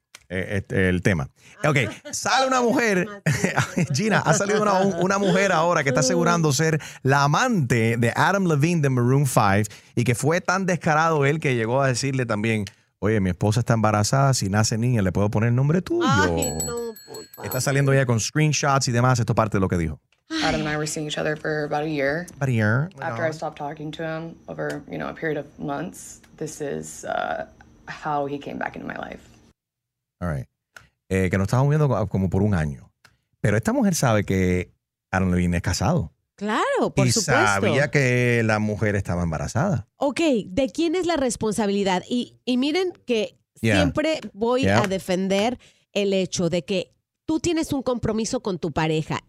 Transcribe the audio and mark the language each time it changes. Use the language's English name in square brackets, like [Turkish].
[Spanish] El tema. Ok, sale una mujer. Gina, ha salido una mujer ahora que está asegurando ser la amante de Adam Levine de Maroon 5 y que fue tan descarado él que llegó a decirle también: oye, mi esposa está embarazada, si nace niña, ¿le puedo poner el nombre tuyo? Ay, no, está saliendo ella con screenshots y demás. Esto es parte de lo que dijo. [English] Adam and I were seeing each other for about a year. About a year. After I stopped talking to him over, you know, a period of months, this is how he came back into my life. All right. [Spanish] Que nos estábamos viendo como por un año. Pero esta mujer sabe que Adam Levine es casado. Claro, por supuesto. Y sabía que la mujer estaba embarazada. Ok, ¿de quién es la responsabilidad? Y miren que siempre voy a defender el hecho de que tú tienes un compromiso con tu pareja.